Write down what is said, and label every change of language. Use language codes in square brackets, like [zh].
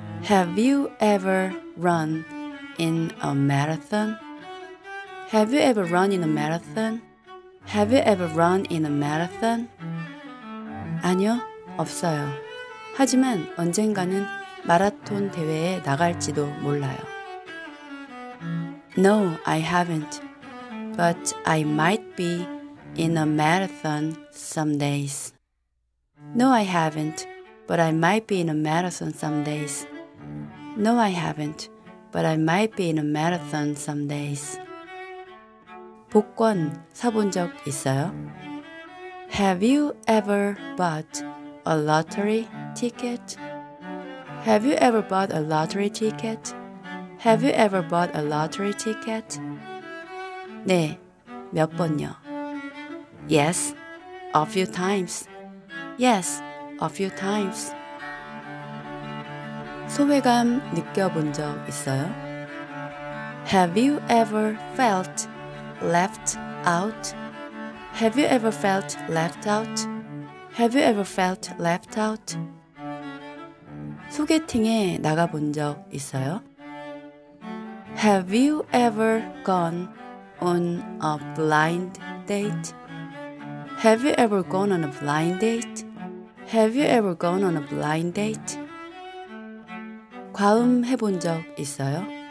[en] Have you ever run in a marathon? Have you ever run in a marathon? Have you ever run in a marathon? [ko] 아니요, 없어요. 하지만 언젠가는 마라톤 대회에 나갈지도 몰라요. [en] No, I haven't. But I might be in a marathon some days. No, I haven't. But I might be in a marathon some days. No, I haven't. But I might be in a marathon some days. [ko] 복권 사본 적 있어요? [en] Have you ever bought a lottery ticket? Have you ever bought a lottery ticket? Have you ever bought a lottery ticket? [ko] 네, 몇 번요? [en] Yes, a few times. Yes, a few times. [ko] 소외감 느껴본 적 있어요? [en] Have you ever felt left out? Have you ever felt left out? Have you ever felt left out? [ko] 소개팅에 나가본 적 있어요? [en] Have you ever gone on a blind date? Have you ever gone on a blind date? Have you ever gone on a blind date? [ko] 과음 해본 적 있어요?